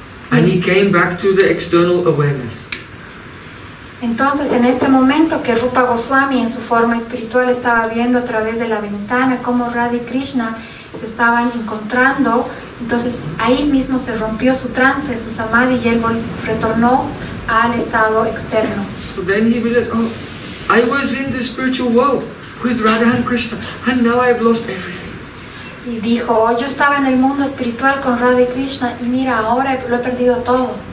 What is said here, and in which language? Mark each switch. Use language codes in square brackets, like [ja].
[en] And he came back to the external awareness. [es] Entonces, en este momento que Rupa Goswami en su forma espiritual estaba viendo a través de la ventana cómo Radha y Krishna se estaban encontrando, entonces ahí mismo se rompió su trance, su samadhi, y él retornó al estado externo. [en] So then he realized, "Oh, I was in the spiritual world with Radha and Krishna, and now I have lost everything." [es] Y dijo, "Oh, yo estaba en el mundo espiritual con Radha y Krishna y mira, ahora lo he perdido todo."